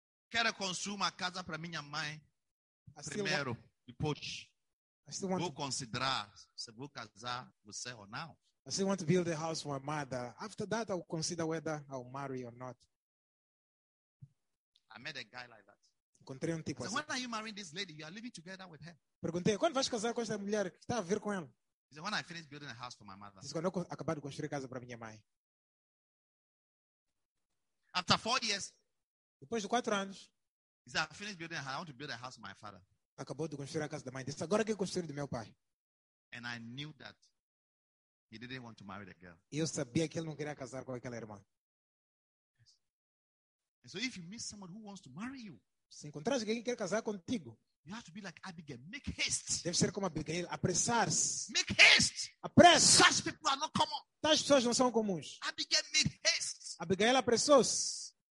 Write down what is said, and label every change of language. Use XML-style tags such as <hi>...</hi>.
<pt>Quero construir uma casa para minha mãe primeiro, depois. Vou considerar se vou casar você ou não.</pt> <en>I still want to build a house for my mother. After that, I'll consider whether I'll marry or not. I met a guy like that.</en> <pt>Encontrei um tipo</pt> <en>assim. When are you marrying this lady? You are living together with her.</en> <pt>Perguntei, quando vais casar com esta mulher que está a vir com ela?</pt> <en>He said, when I finish building a house for my mother.</en> <pt>Diz, quando eu acabar de construir casa para minha mãe.</pt> <en>After 4 years.</en> <pt>Depois de 4 anos.</pt> <en>He said, I finished building a house. I want to build a house for my father.</en> <pt>Acabou de construir a casa da mãe. Diz, agora que eu construí do meu pai.</pt> <en>And I knew that. He didn't want to marry the girl.</en> <pt>Eu sabia que ele não queria casar com aquela irmã.</pt> <en>Yes. And so if you meet someone who wants to marry you,</en> <pt>se encontrares alguém que quer casar contigo,</pt> <en>you have to be like Abigail, make haste.</en> <pt>Deve ser como Abigail, apressar-se.</pt> <en>Make haste.</en> <pt>Apresse.</pt> <en>Such people are not common.</en> <pt>Tais pessoas não são comuns.</pt> <en>Abigail made haste.</en> <pt>Abigail apressou-se.</pt>